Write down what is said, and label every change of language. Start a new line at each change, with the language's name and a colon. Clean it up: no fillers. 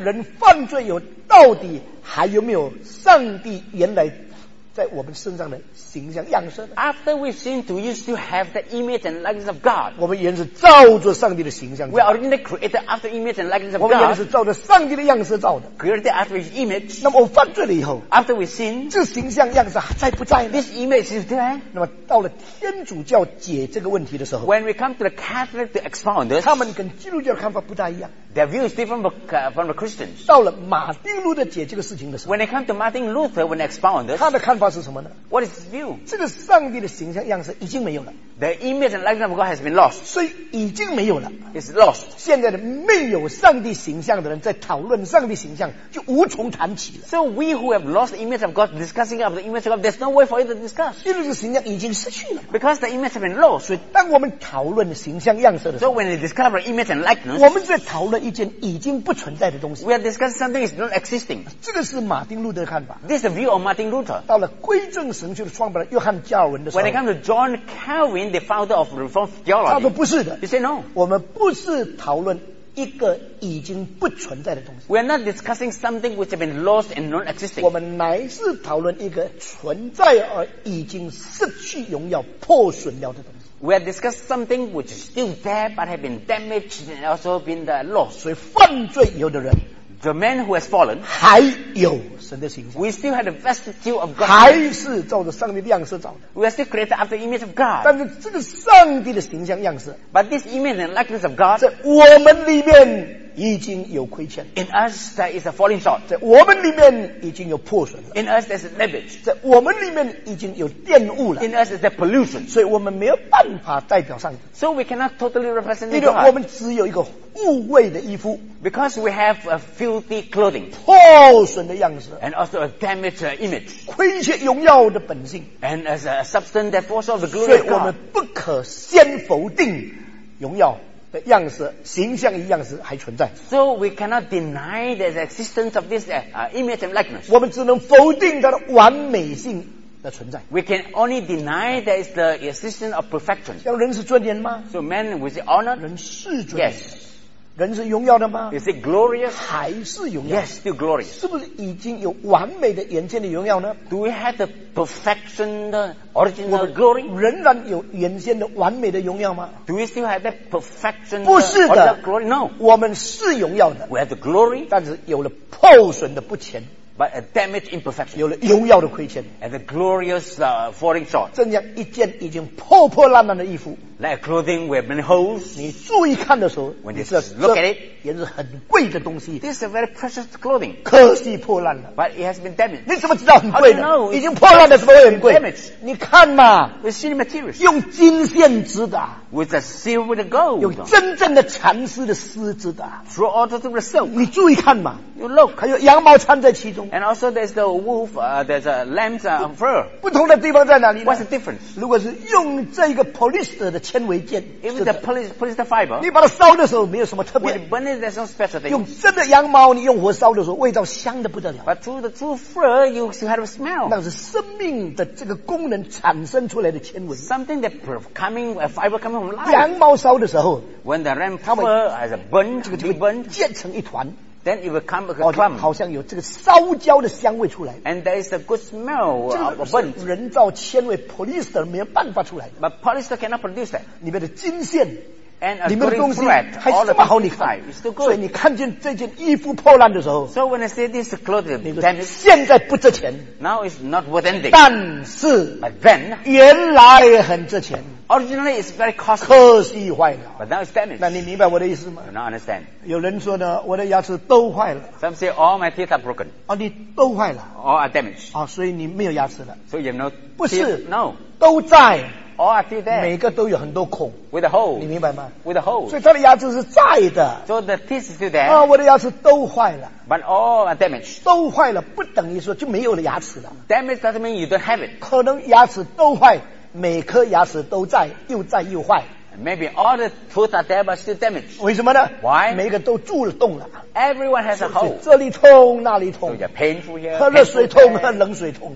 Chinese: 人犯罪有到底还有没有上帝原来在我们身上的形象样式
English: After we sin, do you still have the image and likeness of God?
Chinese: 我们原是照着上帝的形象
English: We are originally created after image and likeness of God.
Chinese: 我们原是照着上帝的样式造的
English: Created after his image.
Chinese: 那么我犯罪了以后
English: After we sin,
Chinese: 这形象样式还在不在呢
English: This image is there.
Chinese: 那么到了天主教解这个问题的时候
English: When we come to the Catholic to expound this,
Chinese: 他们跟基督教的看法不大一样
English: Their view is different from the Christians.
Chinese: 到了马丁路德解这个事情的时候
English: When they come to Martin Luther when they expound this,
Chinese: 他的看法是什么呢
English: What is view?
Chinese: 这个上帝的形象样式已经没有了
English: The image and likeness of God has been lost
Chinese: 所以已经没有了
English: It's lost
Chinese: 现在的没有上帝形象的人在讨论上帝形象就无从谈起了
English: So we who have lost the image of God discussing of the image of God there's no way for you to discuss
Chinese: 因为这个形象已经失去了
English: Because the image has been lost
Chinese: 所以当我们讨论形象样式的时候
English: So when we discover image and likeness
Chinese: 我们在讨论一件已经不存在的东西
English: We are discussing something that is not existing
Chinese: 这个是马丁路德的看法
English: This is the view of Martin Luther
Chinese: 到了归正神学的创办人约翰加尔文的时候
English: When it comes to John Calvin the founder of Reformed Theology
Chinese: 他说不是的
English: He said no
Chinese: 我们不是讨论一个已经不存在的东西
English: We are not discussing something which has been lost and non-existing
Chinese: 我们乃是讨论一个存在而已经失去荣耀破损了的东西
English: We are discussing something which is still there but has been damaged and also been lost
Chinese: 所以犯罪以后的人
English: The man who has fallen,
Chinese: 还有神的形象
English: We still have the vestige of God.
Chinese: 还是照着上帝的样式造的
English: We are still created after the image of God.
Chinese: 但是这个上帝的形象样式
English: But this image and likeness of God,
Chinese: 在我们里面已经有亏欠
English: In us, there is a falling short.
Chinese: 在我们里面已经有破损了
English: In us, there's a damage.
Chinese: 在我们里面已经有玷污了
English: In us, there's a pollution.
Chinese: 所以我们没有办法代表上帝
English: So we cannot totally represent God.
Chinese: 因为我们只有一个污秽的衣服
English: Because we have a filthy clothing.
Chinese: 破损的样式
English: And also a damaged image.
Chinese: 亏欠荣耀的本性
English: And as a substance that falls off the glory of God.
Chinese: 所以我们不可先否定荣耀的样式形象与样式还存在
English: So we cannot deny the existence of this image and likeness
Chinese: 我们只能否定它的完美性的存在。
English: We can only deny there is the existence of perfection.
Chinese: 像人是尊严吗
English: ？So man was honored.
Chinese: 人是尊
English: 严。Yes.
Chinese: 人是荣耀的吗
English: ？Is it glorious?
Chinese: 还是荣
English: 耀 ？Yes, still glorious.
Chinese: 是不是已经有完美的眼前的荣耀呢
English: ？Do we have the perfection, the original glory?
Chinese: 我们仍然有眼前的完美的荣耀吗
English: ？Do we still have that perfection?
Chinese: 不是的
English: ，original glory. No,
Chinese: 我们是荣耀的。
English: We have the glory,
Chinese: 但是有了破损的不全。
English: But a damaged imperfection.
Chinese: 有了荣耀的亏欠。
English: And a glorious falling short.
Chinese: 正像一件已经破破烂烂的衣服。
English: Like a clothing with many holes.
Chinese: 你注意看的时候
English: ，When you look at it,
Chinese: 也是很贵的东西。
English: This is a very precious clothing.
Chinese: 可惜破烂了。
English: But it has been damaged.
Chinese: 你怎么知道很贵呢
English: ？How do you know?
Chinese: 已经破烂的时候很贵。
English: Damaged.
Chinese: 你看嘛。
English: With silver materials.
Chinese: 用金线织的。
English: With a silver gold.
Chinese: 用真正的蚕丝的丝织的。
English: Through all the silk.
Chinese: 你注意看嘛。
English: You look.
Chinese: 还有羊毛穿在其中。
English: And also there's the wolf, there's a lamb's fur.
Chinese: 不同的地方在哪里呢
English: ？What's the difference?
Chinese: 如果是用这个 polyester 的纤维件
English: ，If the polyester fiber,
Chinese: 你把它烧的时候没有什么特别。
English: When you burn it, there's no special thing.
Chinese: 用真的羊毛，你用火烧的时候，味道香的不得了。
English: But through the true fur, you still have a smell.
Chinese: 那是生命的这个功能产生出来的纤维。
English: Something that coming a fiber coming from life.
Chinese: 羊毛烧的时候
English: ，When the lamb fur has a burn,
Chinese: 这个就会
English: burn,
Chinese: 结成一团。
English: Then it will come a clump.
Chinese: 好像有这个烧焦的香味出来。
English: And there is a good smell of burnt.
Chinese: 这个是人造纤维 polyester 没有办法出来的。
English: But polyester cannot produce that.
Chinese: 里面的金线。
English: And a
Chinese: 里面的东西还是这么好你看
English: It's still good.
Chinese: 所以你看见这件衣服破烂的时候
English: So when I say this clothing damaged,
Chinese: 现在不值钱
English: Now it's not worth anything
Chinese: 但是
English: But then,
Chinese: 原来很值钱
English: Originally it's very costly
Chinese: 可惜坏了
English: But now it's damaged
Chinese: 那你明白我的意思吗
English: You don't understand
Chinese: 有人说呢我的牙齿都坏了
English: Some say all my teeth are broken
Chinese: 哦，你都坏了
English: All are damaged
Chinese: 哦，所以你没有牙齿了
English: So you have no
Chinese: 不是
English: No
Chinese: 都在
English: All are still there.
Chinese: 每个都有很多孔
English: With a hole.
Chinese: 你明白吗
English: With a hole.
Chinese: 所以他的牙齿是在的
English: So the teeth is still there.
Chinese: 啊，我的牙齿都坏了
English: But all are damaged.
Chinese: 都坏了不等于说就没有了牙齿了
English: Damage doesn't mean you don't have it.
Chinese: 可能牙齿都坏每颗牙齿都在又在又坏
English: Maybe all the tooth are there but still damaged.
Chinese: 为什么呢
English: Why?
Chinese: 每个都蛀了洞了
English: Everyone has a hole.
Chinese: 这里痛那里痛
English: So you're painful here.
Chinese: 喝热水痛喝冷水痛